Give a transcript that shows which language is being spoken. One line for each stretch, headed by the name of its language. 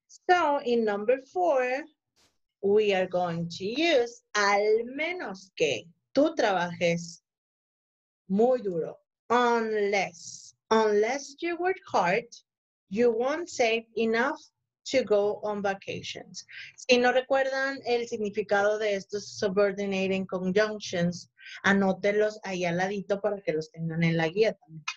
English: So in number four, we are going to use
Spanish: al menos que tú trabajes muy duro.
English: Unless you work hard, you won't save enough to go on vacations.
Spanish: Si no recuerdan el significado de estos subordinating conjunctions, anótenlos ahí al ladito para que los tengan en la guía también.